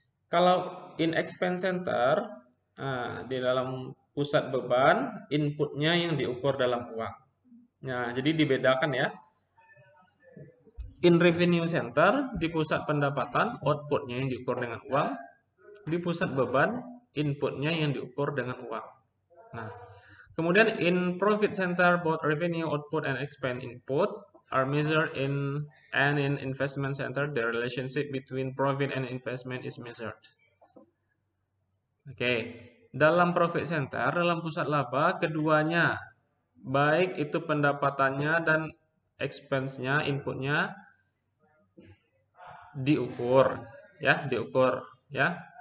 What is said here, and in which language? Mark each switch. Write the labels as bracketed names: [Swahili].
[Indonesian] Kalau [English] in expense center, [Indonesian] nah, di dalam pusat beban, inputnya yang diukur dalam uang. Nah, jadi dibedakan ya. [English] In revenue center, [Indonesian] di pusat pendapatan, outputnya yang diukur dengan uang. Di pusat beban, inputnya yang diukur dengan uang. Nah, kemudian [English] in profit center, both revenue output and expense input are measured in, and in investment center, the relationship between profit and investment is measured. [Indonesian] Oke, dalam profit center, dalam pusat laba, keduanya, baik itu pendapatannya dan expense-nya, inputnya, diukur, ya, diukur, ya.